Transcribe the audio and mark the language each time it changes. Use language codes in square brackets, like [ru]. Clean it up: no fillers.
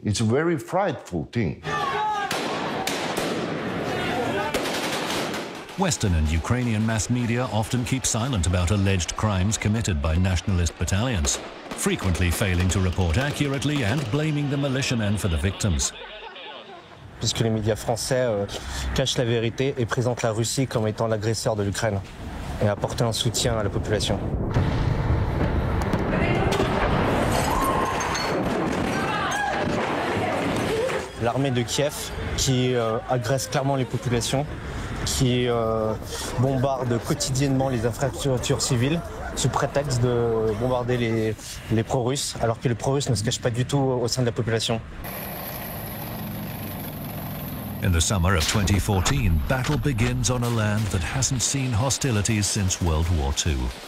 [en] It's a very frightful thing. Western and Ukrainian mass media often keep silent about alleged crimes committed by nationalist battalions, frequently failing to report accurately and blaming the militiamen for the victims. [fr] Parce que les médias français cachent la vérité et présentent la Russie comme étant l'agresseur de l'Ukraine et apporter un soutien à la population. L'armée de Kiev qui agresse clairement les populations, qui bombarde quotidiennement les infrastructures civiles sous prétexte de bombarder les pro-russes, alors que les pro-russes ne se cachent pas du tout au sein de la population. [en] In the summer of 2014, battle begins on a land that hasn't seen hostilities since World War II.